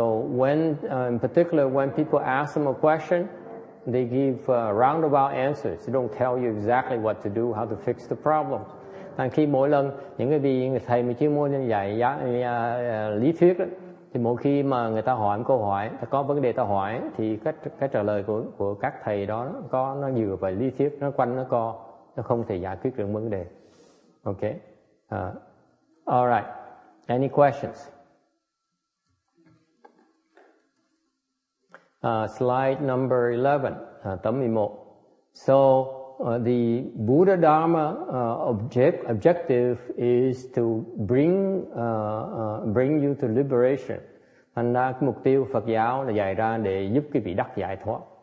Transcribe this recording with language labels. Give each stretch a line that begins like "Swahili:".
English: So when people ask them a question, they give roundabout answers. They don't tell you exactly what to do, how to fix the problem.
Vietnamese: Thì khi mỗi lần những cái vị thầy mà chuyên môn dạy lý thuyết đó, thì mỗi khi mà người ta hỏi một câu hỏi, ta có vấn đề ta hỏi thì cái trả lời của các thầy đó nó dựa vào lý thuyết, nó quanh nó co, nó không thể giải quyết được vấn đề.
English: Okay. All right. Any questions? Slide number 11,
Vietnamese: tấm 11.
English: So the Buddha Dharma objective is to bring you to liberation.
Vietnamese: Thành ra cái mục tiêu Phật giáo là dạy ra để giúp cái vị đắc giải thoát.